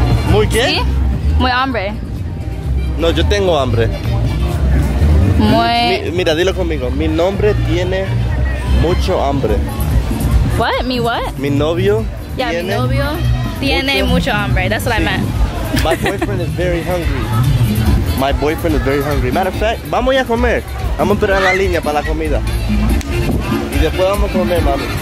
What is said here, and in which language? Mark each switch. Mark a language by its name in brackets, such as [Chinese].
[Spanish] ¿Muy qué? Sí, muy hambre. No, yo tengo hambre. Muy... Mira, dilo conmigo. Mi nombre tiene mucho hambre. [English] What? Mi what? [Spanish] Mi novio. Yeah, mi novio tiene mucho hambre. [English] That's what sí. I meant. My boyfriend is very hungry. My boyfriend is very hungry. Matter of fact, [Spanish] vamos a comer. Vamos a esperar la línea para la comida. Y después vamos a comer, mami.